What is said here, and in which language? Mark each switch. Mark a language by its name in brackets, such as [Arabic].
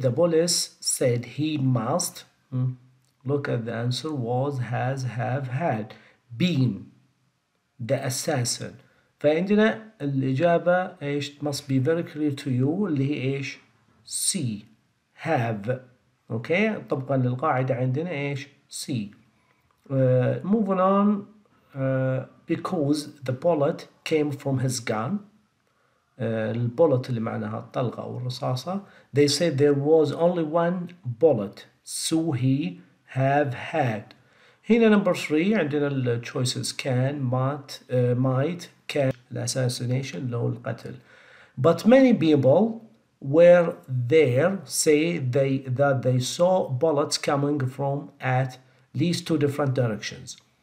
[English] The police said he must, look at the answer, was, has, have, had, been the assassin. [Arabic] فعندنا الإجابة إيش [English] must be very clear to you, [Arabic] اللي هي إيش [English] C, have. [Arabic] Okay, طبقا للقاعدة عندنا إيش C. [English] Moving on, because the bullet came from his gun. [Arabic] البولت اللي معناها الطلقة أو الرصاصة. [English] They said there was only one bullet, so he have had. [Arabic] هنا [English] number three [Arabic] عندنا [English] choices can, might, might, can. Assassination, no, [Arabic] القتل. [English] But many people were there say they that they saw bullets coming from at least two different directions.